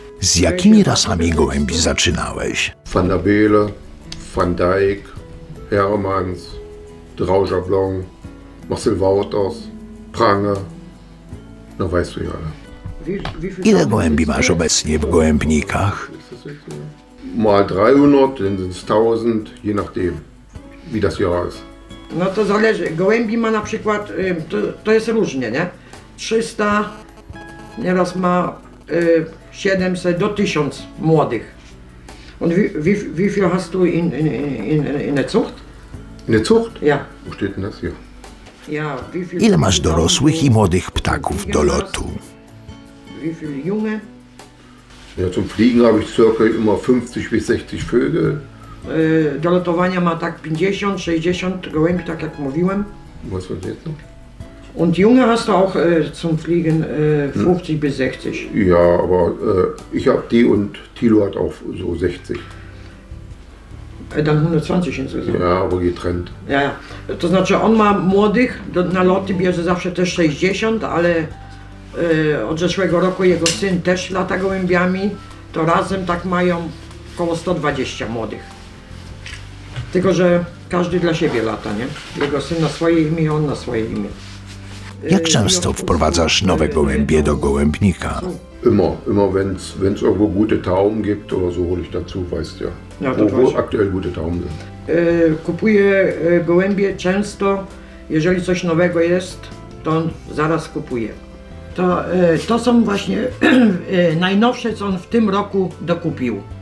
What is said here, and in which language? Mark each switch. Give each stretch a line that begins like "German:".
Polish: Z jakimi rasami gołębi zaczynałeś?
German: Vandenabelle, Van Dijk, Heremans, Drauschablon, Marcel Wouters, Prange, no weißt du ja.
Polish: Ile gołębi masz obecnie w gołębnikach?
German: Mal 300, dann sind es 1000, je nachdem, wie das Jahr ist.
Polish: No to zależy. Gołębi ma na przykład, to jest różnie, nie? 300, nieraz ma 700 do 1000 młodych.
German: Und wie viel hast du in der Zucht? In der Zucht? Ja. Wo steht denn das hier? Ja, wie viel?
Polish: Ile masz dorosłych i młodych ptaków do lotu?
German: Wie viel junge? Ja, zum Fliegen habe ich circa immer 50 bis 60 Vögel.
Polish: Do lotowania ma tak 50-60 gołębi, tak jak mówiłem.
German: Was war das noch? Und Junge hast du auch zum Fliegen 50 bis 60? Ja, aber ich habe die und Thilo hat auch so 60. Dann 120 insgesamt. Ja, aber getrennt.
Polish: Ja, to znaczy on ma młodych, na loty bierze zawsze też 60, ale od zeszłego roku jego syn też lata gołębiami, to razem tak mają około 120 młodych. Tylko że każdy dla siebie lata, nie? Jego syn na swoje imię, on na swoje imię. Jak często wprowadzasz nowe gołębie do gołębnika?
German: Immer wenn's irgendwo gute Tauben gibt oder so, hol ich dazu, weißt ja. Wo aktuell gute Tauben sind.
Polish: Kupuję gołębie często, jeżeli coś nowego jest, to on zaraz kupuje. To są właśnie najnowsze, co on w tym roku dokupił.